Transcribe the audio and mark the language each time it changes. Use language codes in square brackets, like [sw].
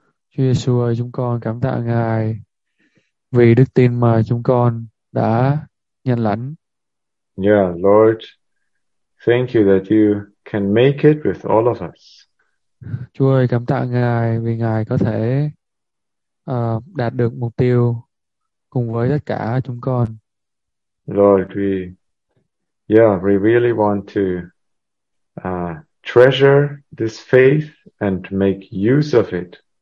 [vi] Chúa Giêsu ơi, chúng con cảm tạ Ngài vì đức tin mà chúng con đã nhận lãnh. [en] Yeah, Lord, thank you that you can make it with all of us. [vi] Chúa ơi, cảm tạ Ngài vì Ngài có thể đạt được mục tiêu cùng với tất cả chúng con. [en] Lord, we really want to treasure this faith and make use of it.